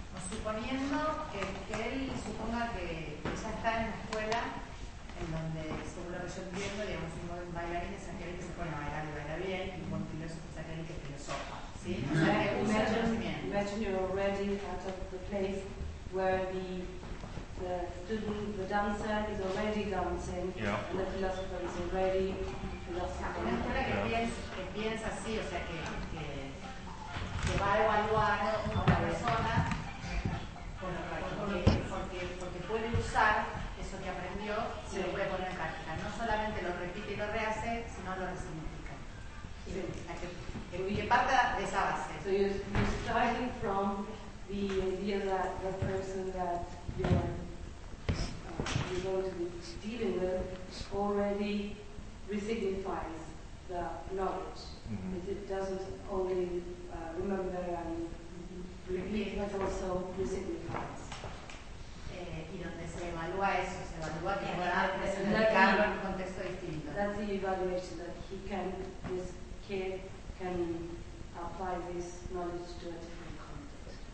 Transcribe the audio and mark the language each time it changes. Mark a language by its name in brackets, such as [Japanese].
[Spanish] Suponiendo que él suponga que ella está en la escuela, en donde, según lo que yo entiendo, digamos, un joven bailarín es aquel que se pone a bailar y baila bien, y un buen filósofo es aquel que filosofa, ¿sí? O sea, [English] imagine you're already out of the place where the dancer is already dancing, yeah. And the philosopher is already philosophizing. [Spanish] Una escuela que piensa así, o sea, que va a evaluar a una persona porque puede usar eso que aprendió y sí. Lo puede poner en práctica. No solamente lo repite y lo rehace, sino lo resignifica. Que parte de esa base. [English] So you're starting from the idea that the person that you're going to be dealing with already resignifies the knowledge. Mm-hmm. It doesn't only remember and repeat, but also resignifies. [Spanish] Y donde se evalúa eso, se evalúa que va a presentar en un contexto distinto. [English] That's the evaluation that he can, this kid can apply this knowledge to a different context.